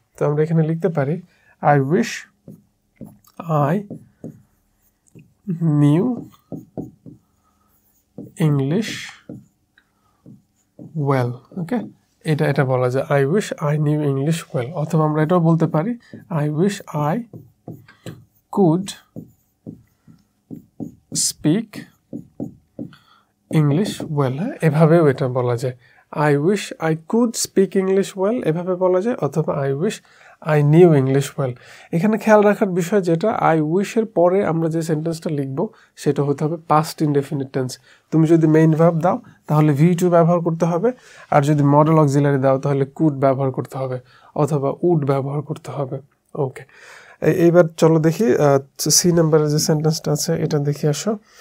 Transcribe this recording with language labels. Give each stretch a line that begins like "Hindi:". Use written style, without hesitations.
Bangla: তো আমরা এখানে লিখতে পারি
English: I wish I knew English well. Okay,
Bangla: এটা এটা বলা যায়
English: I wish I knew English well,
Bangla: অথবা আমরা এটাও বলতে পারি
English: I wish I could speak English well.
Bangla: এভাবেও এটা বলা যায়,
English: I wish I could speak English well,
Bangla: এভাবে বলা যায়, অথবা
English: I wish I knew English well.
Bangla: এখানে খেয়াল রাখার বিষয় যেটা, আই উইশের পরে আমরা যে সেন্টেন্সটা লিখবো সেটা হতে হবে পাস্ট ইনডেফিনিট টেন্স। তুমি যদি মেইন ভার্ব দাও তাহলে ভি টু ব্যবহার করতে হবে, আর যদি মডেল অক্সিলারি দাও তাহলে কুড ব্যবহার করতে হবে অথবা উড ব্যবহার করতে হবে। ওকে, এইবার চলো দেখি সি নাম্বারের যে সেন্টেন্সটা আছে এটা দেখি আসো।